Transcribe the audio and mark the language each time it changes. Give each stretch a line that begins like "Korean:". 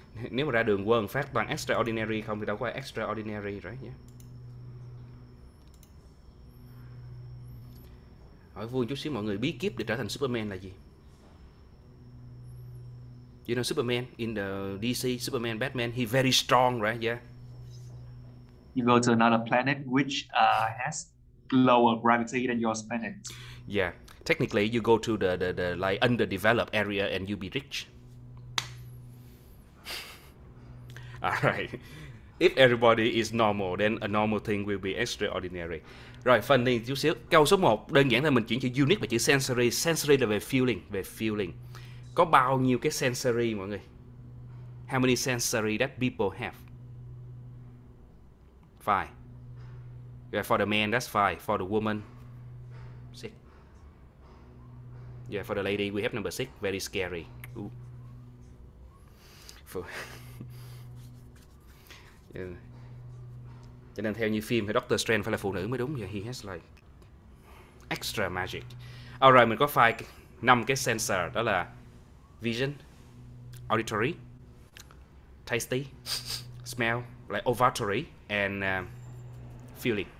Vietnamese: Nếu mà ra đường quên phát toàn extraordinary không thì đâu có extraordinary rồi nhé. Hỏi vui chút xíu mọi người, bí kíp để trở thành Superman là gì?
English: You know Superman in the DC, Superman, Batman, he very strong, right? Yeah. You go to another planet which has lower gravity than your planet. Yeah. Technically, you go to the like underdeveloped area and you be rich. All right. If everybody is normal, then a normal thing will be extraordinary.
Vietnamese: Rồi, phần này chút xíu. Câu số 1, đơn giản là mình chuyển chữ unique và chữ sensory. Sensory là về feeling, về feeling. Có bao nhiêu cái sensory mọi người?
English: How many sensory that people have? Five. Yeah, for the man, that's five. For the woman, six. Yeah, for the lady, we have number six. Very scary. Ooh. For... yeah.
Vietnamese: Cho nên theo như phim thì Doctor Strange phải là phụ nữ mới đúng.
English: Yeah, he has like extra magic.
Vietnamese: Alright, mình có five, năm cái sensor. Đó là
English: vision, auditory, tasty, smell, like olfactory, and feeling.